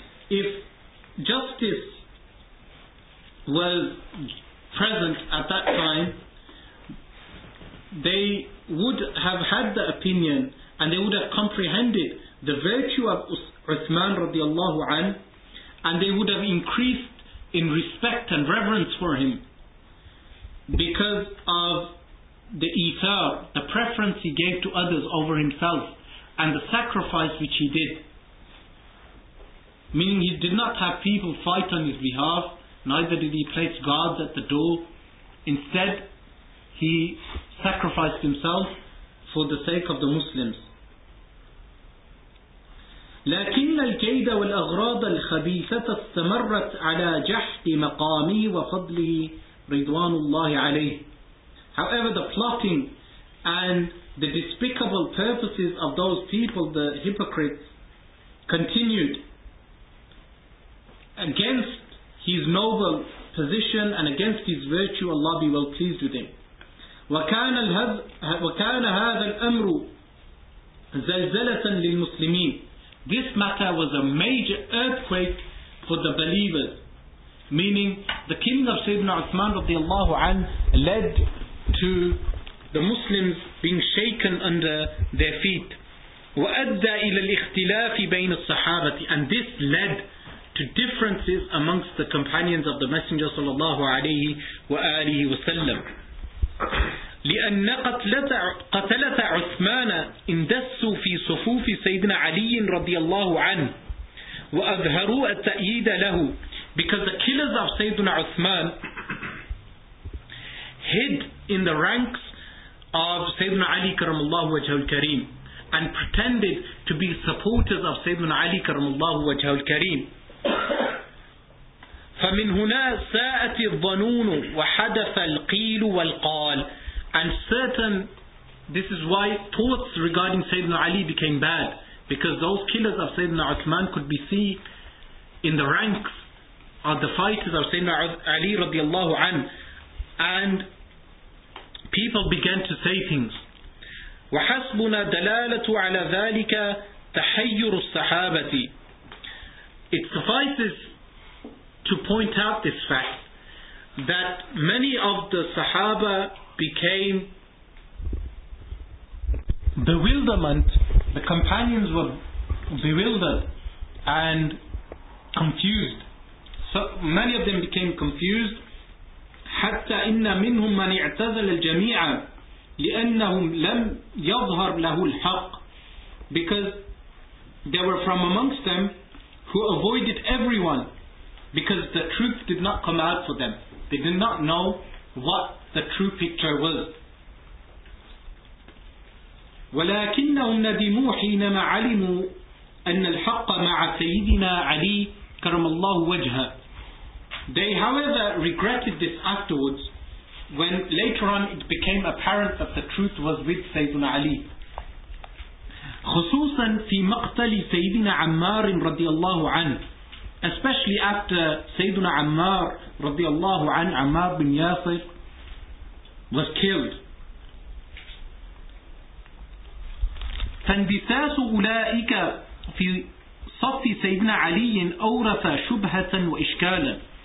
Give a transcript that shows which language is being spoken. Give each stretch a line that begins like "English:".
English: If justice was present at that time, they would have had the opinion and they would have comprehended the virtue of Uthman radiallahu anhu, and they would have increased in respect and reverence for him because of the ithar, the preference he gave to others over himself, and the sacrifice which he did, meaning he did not have people fight on his behalf, neither did he place guards at the door. Instead, he sacrificed himself for the sake of the Muslims.
Arabic: لكن الكيد والأغراض الخبيثة استمرت على جحد مقامه وفضله رضوان الله عليه.
English: However, the plotting and the despicable purposes of those people, the hypocrites, continued against his noble position and against his virtue, Allah be well pleased with him.
Arabic: وكان هذا الأمر زلزلة للمسلمين.
English: This matter was a major earthquake for the believers, meaning the king of Sayyidina Uthman radiallahu anhu led to the Muslims being shaken under their feet.
Arabic: وَأَدَّى إِلَى الْإِخْتِلَافِ بَيْنَ الصَّحَابَةِ.
English: And this led to differences amongst the companions of the Messenger sallallahu alayhi wa alihi wa sallam.
Arabic: لِأَنَّ قَتَلَتَ عُثْمَانَ اِنْدَسُّوا فِي صُفُوفِ سَيْدِنَ عَلِيٍّ رَضِيَ اللَّهُ عَنْهُ وَأَظْهَرُوا التَّأْيِيدَ لَهُ.
English: Because the killers of Sayyidina Uthman hid in the ranks of Sayyidina Ali karamallahu wajhahu al-kareem, and pretended to be supporters of Sayyidina Ali karamallahu wajhahu al-kareem.
Arabic: فمن هنا ساءت الظنون وحدث القيل والقال.
English: And certain, this is why thoughts regarding Sayyidina Ali became bad, because those killers of Sayyidina Uthman could be seen in the ranks of the fighters of Sayyidina Ali radiallahu anhu, and people began to say things.
Arabic: وحسبنا دلالة على ذلك تحير الصحابة.
English: It suffices to point out this fact that many of the Sahaba became bewilderment. The companions were bewildered and confused. So many of them became confused.
Arabic: حتى إن منهم من اعتزل الجميع لأنهم لم يظهر له الحق.
English: Because they were from amongst them who avoided everyone, because the truth did not come out for them. They did not know what the true picture was.
Arabic: ولكنهم ندموا حينما علموا أن الحق مع سيدنا علي كرم الله وجهه.
English: They, however, regretted this afterwards, when later on it became apparent that the truth was with Sayyidina Ali.
Arabic: خصوصا في مقتل سيدنا عمار رضي الله عنه.
English: Especially after Sayyidina Ammar radiallahu anhu, Ammar bin Yasir, was killed.
Arabic: فَانْدِثَاسُ أُولَٰئِكَ فِي صَفِّ سَيِّدْنَا عَلِيٍّ أَوْرَثَ شُبْهَةً وَإِشْكَالًا.